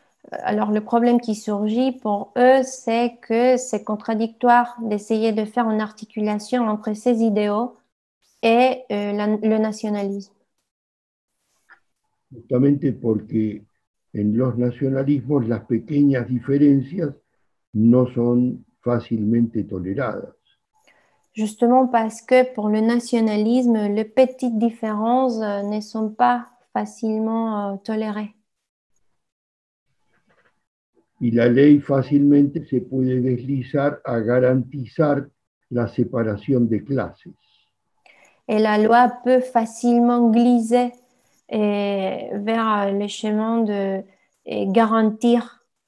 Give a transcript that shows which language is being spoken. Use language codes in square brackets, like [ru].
[fr] Alors, le problème qui surgit pour eux, c'est que c'est contradictoire d'essayer de faire une articulation entre ces idéaux et le nationalisme. Justement parce que [es] en los nacionalismos, las pequeñas diferencias no son fácilmente toleradas. [fr] Justement parce que pour le nationalisme, les petites différences ne sont pas facilement tolérées. [es] Y la ley fácilmente se puede deslizar a garantizar la separación de clases. [fr] Y la loi peut facilement glisser vers le chemin de garantir